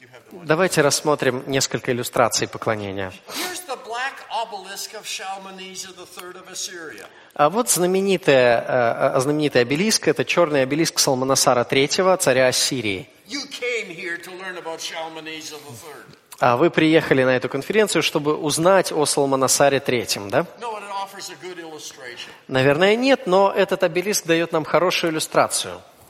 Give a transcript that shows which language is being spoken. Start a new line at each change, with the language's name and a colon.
Russian: Давайте рассмотрим несколько иллюстраций поклонения.
English: Here's the black obelisk of Shalmaneser III of Assyria.
Russian: А вот знаменитый обелиск, это черный обелиск Салманасара III, царя Ассирии.
English: You came here to learn about Shalmaneser III.
Russian: А вы приехали на эту конференцию, чтобы узнать о Салманасаре III, да?
English: No,
Russian: наверное, нет, но этот обелиск дает нам хорошую иллюстрацию.